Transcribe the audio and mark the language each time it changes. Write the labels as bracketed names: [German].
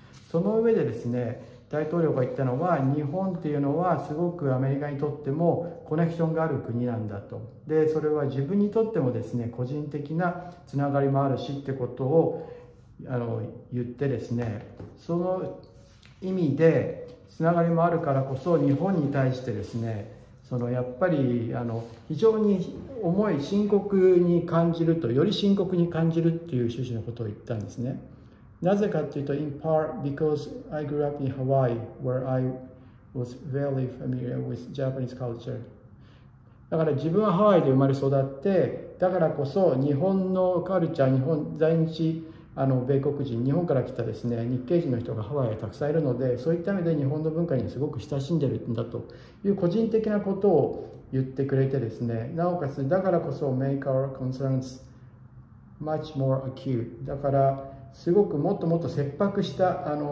[Japanese] その上でですね、大統領が言ったのは、日本っていうのはすごくアメリカにとってもコネクションがある国なんだと、で、それは自分にとってもですね、個人的なつながりもあるしってことを言ってですね、その意味でつながりもあるからこそ、日本に対してですね、そのやっぱり非常に重い、深刻に感じると、より深刻に感じるっていう趣旨のことを言ったんですね。なぜかというと、 [English] In part because I grew up in Hawaii, where I was very familiar with Japanese culture. [Japanese] だから自分はハワイで生まれ育って、だからこそ日本のカルチャー、日本在日米国人、日本から来たですね、日系人の人がハワイにたくさんいるので、そういった意味で日本の文化にすごく親しんでるんだという個人的なことを言ってくれてですね、なおかつだからこそ [English] make our concerns much more acute、 [Japanese] だからすごくもっともっと切迫した